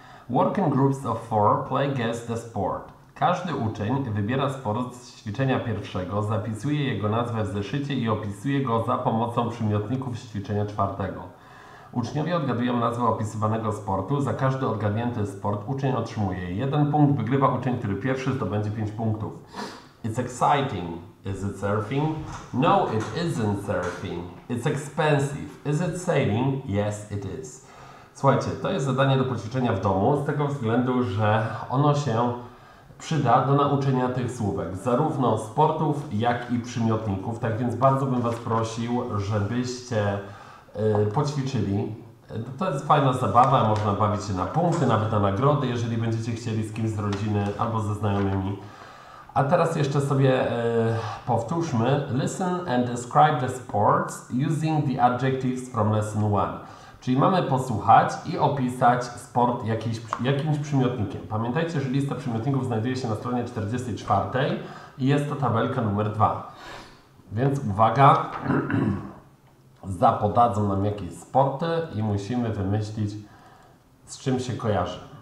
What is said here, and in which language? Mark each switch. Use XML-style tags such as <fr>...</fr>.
<en>Work in groups of four, play guess the sport.</en> <pl>Każdy uczeń wybiera sport z ćwiczenia pierwszego, zapisuje jego nazwę w zeszycie i opisuje go za pomocą przymiotników z ćwiczenia czwartego. Uczniowie odgadują nazwę opisywanego sportu. Za każdy odgadnięty sport uczeń otrzymuje jeden punkt. Wygrywa uczeń, który pierwszy zdobędzie 5 punktów.</pl> <en>It's exciting. Is it surfing? No, it isn't surfing. It's expensive. Is it sailing? Yes, it is.</en> <pl>Słuchajcie, to jest zadanie do poćwiczenia w domu z tego względu, że ono się przyda do nauczenia tych słówek, zarówno sportów, jak i przymiotników. Tak więc bardzo bym Was prosił, żebyście poćwiczyli. To jest fajna zabawa, można bawić się na punkty, nawet na nagrody, jeżeli będziecie chcieli z kimś z rodziny albo ze znajomymi. A teraz jeszcze sobie powtórzmy.</pl> <en>Listen and describe the sports using the adjectives from lesson one.</en> <pl>Czyli mamy posłuchać i opisać sport jakimś przymiotnikiem. Pamiętajcie, że lista przymiotników znajduje się na stronie 44 i jest to tabelka numer 2. Więc uwaga, zapodadzą nam jakieś sporty i musimy wymyślić, z czym się kojarzy.</pl>